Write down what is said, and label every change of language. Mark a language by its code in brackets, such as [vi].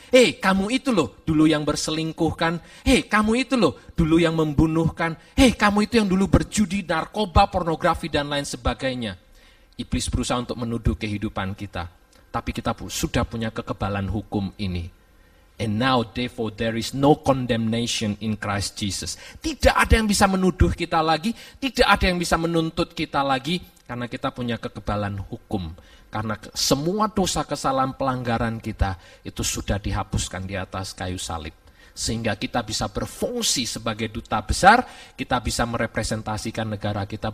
[id] Hei, kamu itu loh dulu yang berselingkuhkan. Hei, kamu itu loh dulu yang membunuhkan. Hei, kamu itu yang dulu berjudi, narkoba, pornografi, dan lain sebagainya. Iblis berusaha untuk menuduh kehidupan kita. Tapi kita sudah punya kekebalan hukum ini. [en] And now, therefore, there is no condemnation in Christ Jesus. [id] Tidak ada yang bisa menuduh kita lagi. Tidak ada yang bisa menuntut kita lagi. Karena kita punya kekebalan hukum. Karena semua dosa, kesalahan, pelanggaran kita itu sudah dihapuskan di atas kayu salib. Sehingga kita bisa berfungsi sebagai duta besar, kita bisa merepresentasikan negara kita.